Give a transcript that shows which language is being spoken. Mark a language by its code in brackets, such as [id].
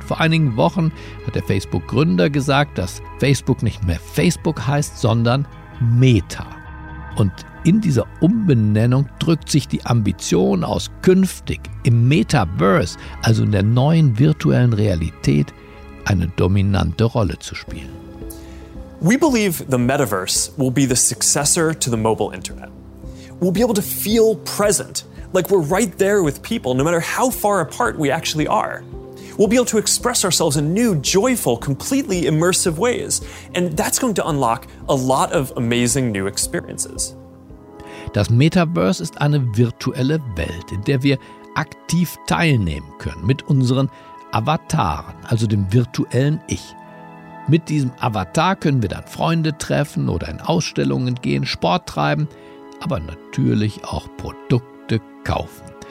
[de] Vor einigen Wochen hat der Facebook-Gründer gesagt, dass Facebook nicht mehr Facebook heißt, sondern Meta. Und in dieser Umbenennung drückt sich die Ambition aus, künftig im Metaverse, also in der neuen virtuellen Realität, eine dominante Rolle zu spielen. [en] We believe the Metaverse will be the successor to the mobile internet. We'll be able to feel present, like we're right there with people, no matter how far apart we actually are. We'll be able to express ourselves in new, joyful, completely immersive ways. And that's going to unlock a lot of amazing new experiences. [de] Das Metaverse ist eine virtuelle Welt, in der wir aktiv teilnehmen können mit unseren Avataren, also dem virtuellen Ich. Mit diesem Avatar können wir dann Freunde treffen oder in Ausstellungen gehen, Sport treiben, aber natürlich auch Produkte kaufen.